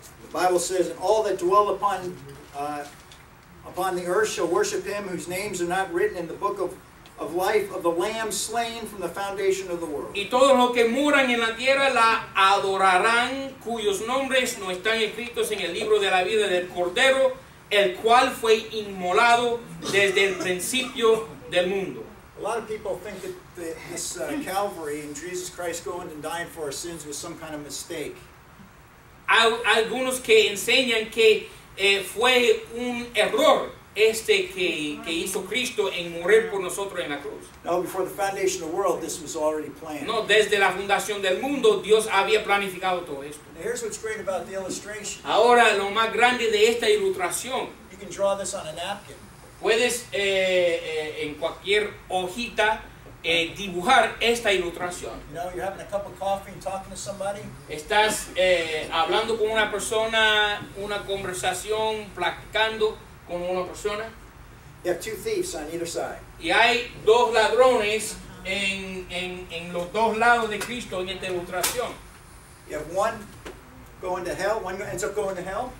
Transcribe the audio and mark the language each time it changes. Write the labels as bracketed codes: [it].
[en] The Bible says, "And all that dwell upon the earth shall worship Him whose names are not written in the book of life of the Lamb slain from the foundation of the world." [es] Y todos los que moran en la tierra la adorarán, cuyos nombres no están escritos en el libro de la vida del Cordero, el cual fue inmolado desde el principio del mundo. [en] A lot of people think that this Calvary and Jesus Christ going and dying for our sins was some kind of mistake. [es] Algunos que enseñan que fue un error. Este que hizo Cristo en morir por nosotros en la cruz. [en] No, before the foundation of the world, this was already planned. [es] No, desde la fundación del mundo, Dios había planificado todo esto. [en] Now, here's what's great about the illustration. [es] Ahora, lo más grande de esta ilustración. [en] You can draw this on a napkin. [es] Puedes en cualquier hojita dibujar esta ilustración. [en] You know, you're having a cup of coffee and talking to somebody. [es] Estás hablando con una persona, una conversación, platicando. Con una persona. [en] You have two thieves on either side. [es] Y hay dos ladrones en los dos lados de Cristo en esta ilustración. [en] You have one going to hell? One ends up going to hell?